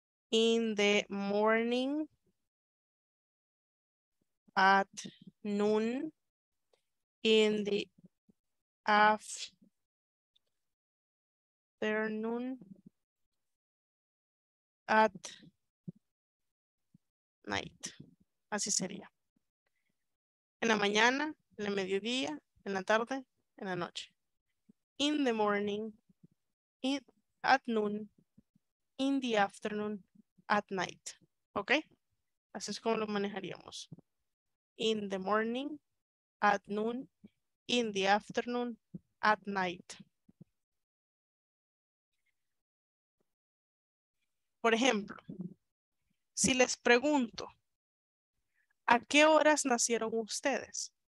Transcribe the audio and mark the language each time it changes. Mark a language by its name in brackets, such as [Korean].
[English] In the morning, at noon, in the afternoon, at night. [Spanish] Así sería. En la mañana, en el mediodía, en la tarde, en la noche. [English] In the morning, in, at noon, in the afternoon, at night. [Spanish] ¿Ok? Así es como lo manejaríamos. [English] In the morning, at noon, in the afternoon, at night. [Spanish] Por ejemplo, si les pregunto, ¿a qué horas nacieron ustedes?